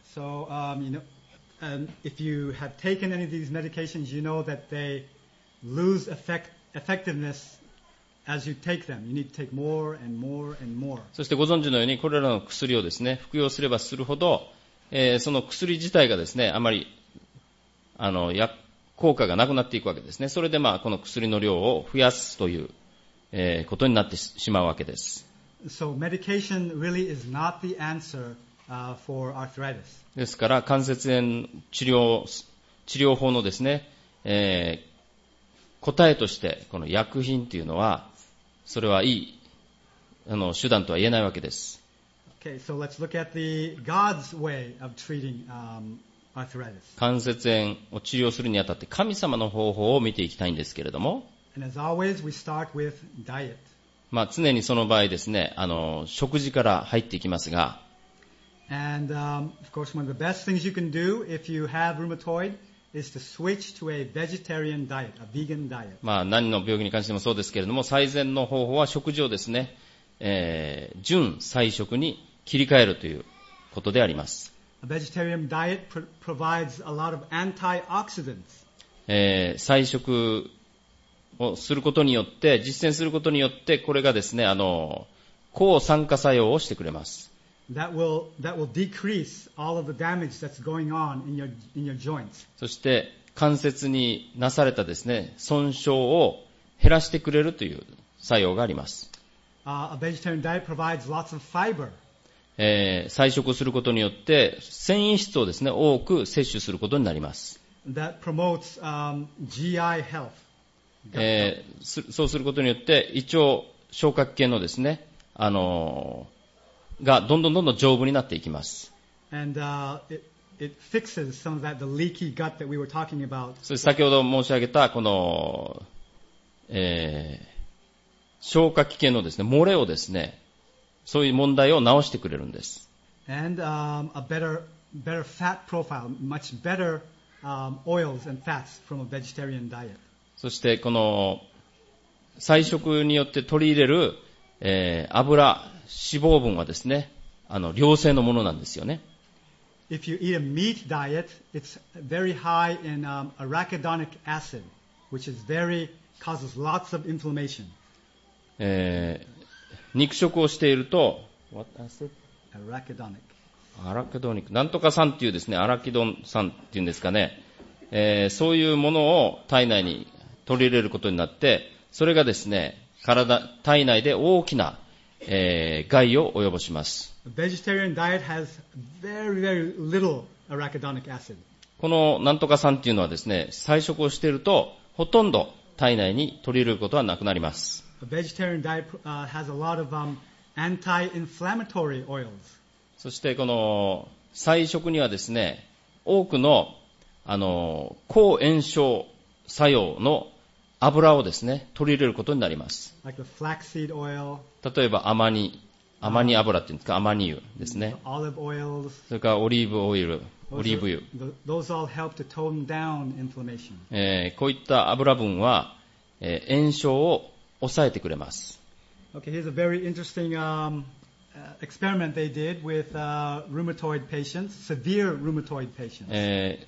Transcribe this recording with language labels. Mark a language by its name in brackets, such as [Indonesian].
[English] So, you know, if you have taken any of these medications, you know that they lose effectiveness. As you take them, you need to take more and more and more. [Japanese] そしてご存知のようにこれらの薬をですね、服用すればするほど、その薬自体がですね、あまり効果がなくなっていくわけですね。それでまあこの薬の量を増やすという、ことになって しまうわけです。 [English] So medication really is not the answer, for arthritis. [Japanese] ですから関節炎治療法のですね、答えとしてこの薬品というのはそれはいい手段とは言えないわけです。 [English] Okay, so let's look at the God's way of treating, arthritis. [Japanese] 関節炎を治療するにあたって神様の方法を見ていきたいんですけれども。 [English] And as always, we start with diet. [Japanese] まあ常にその場合ですね、食事から入っていきますが。 [English] And, of course, one of the best things you can do if you have rheumatoid. Is to switch to a vegetarian diet, a vegan diet. [Japanese] まあ何の病気に関してもそうですけれども、最善の方法は食事をですね、純菜食に切り替えるということであります。 [English] A vegetarian diet provides a lot of antioxidants. [Japanese] 菜食をすることによって、実践することによって、これがですね、抗酸化作用をしてくれます。 [English] That will decrease all of the damage that's going on in your joints. [Japanese] そして関節になされたですね、損傷を減らしてくれるという作用があります。 [English] A vegetarian diet provides lots of fiber. [Japanese] 菜食することによって繊維質をですね、多く摂取することになります。 [English] That promotes, GI health. [Japanese] そうすることによって胃腸消化器系のですね、がどんどんどんどん丈夫になっていきます。 [English] And, it fixes some of that, the leaky gut that we were talking about. [Japanese] そして先ほど申し上げた、この、消化器系のですね、漏れをですね、そういう問題を直してくれるんです。 [English] And, a better fat profile, much better, oils and fats from a vegetarian diet. [Japanese] そして、この、菜食によって取り入れる、油、脂肪分はですね、良性のものなんですよね。 [English] If you eat a meat diet, it's very high in arachidonic acid, which is very causes lots of inflammation. [Japanese] 肉食をしていると、 [English] what acid? Arachidonic. Arachidonic. [Japanese] なんとか酸っていうですね、アラキドン酸っていうんですかね、そういうものを体内に取り入れることになって、それがですね、体内で大きな害を及ぼします。 [English] Vegetarian diet has very, very little arachidonic acid. [Japanese] このなんとか酸っていうのはですね、菜食をしているとほとんど体内に取り入れることはなくなります。 [English] Vegetarian diet has a lot of anti-inflammatory oils. [Japanese] そしてこの菜食にはですね、多くの抗炎症作用の油をですね、取り入れることになります。 [English] Like the flaxseed oil. [Japanese] 例えば甘煮油っていうんですか、甘煮油ですね。 [English] The olive oils. [Japanese] それからオリーブオイル、オリーブ油。 [English] Those all help to tone down inflammation. [Japanese] こういった油分は、炎症を抑えてくれます。 [English] Okay, here's a very interesting experiment they did with rheumatoid patients, severe rheumatoid patients.